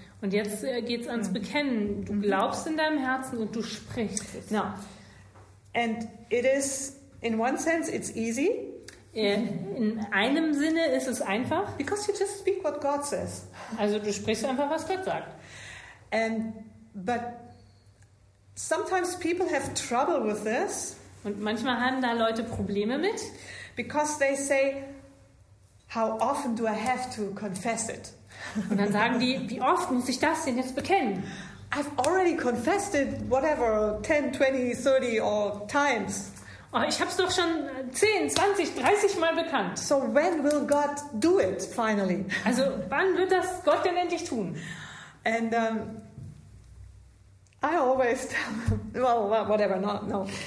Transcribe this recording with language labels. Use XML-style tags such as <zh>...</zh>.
<de>Und jetzt geht's ans Bekennen. Du glaubst in deinem Herzen und du sprichst es.</de> <en>Now, and it is, in one sense, it's easy.</en> <de>In einem Sinne ist es einfach.</de> <en>Because you just speak what God says.</en> <de>Also du sprichst einfach, was Gott sagt.</de> <en>But sometimes people have trouble with this.</en> <de>Und manchmal haben da Leute Probleme mit.</de> <en>Because they say, how often do I have to confess it?</en> <de>Und dann sagen die, wie oft muss ich das denn jetzt bekennen?</de> <en>I've already confessed it, whatever, 10, 20, 30 or times.</en> <de>Oh, ich habe es doch schon 10, 20, 30 Mal bekannt.</de> <en>So when will God do it, finally?</en> <de>Also wann wird das Gott denn endlich tun?</de> <en>And I always tell them, well, whatever, not, no.</en>